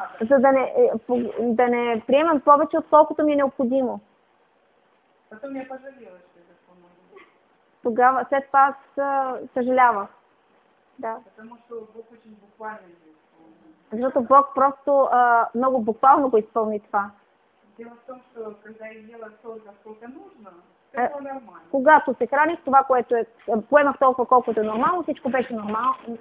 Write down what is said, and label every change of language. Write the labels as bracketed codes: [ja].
[bg] За да не, да не приемам повече, отколкото ми е необходимо. [ru] Потом я пожалела, что это помогло. [bg] Тогава, след това аз съжалява. Да. [ru] Потому что Бог очень буквально [bg] изпълни. Защото Бог просто много буквално го изпълни това. [ru] Дело в том, что когда я ела столько, сколько нужно, [bg] когато се храних това, което е, поемах толкова, колкото е нормално, всичко беше нормално.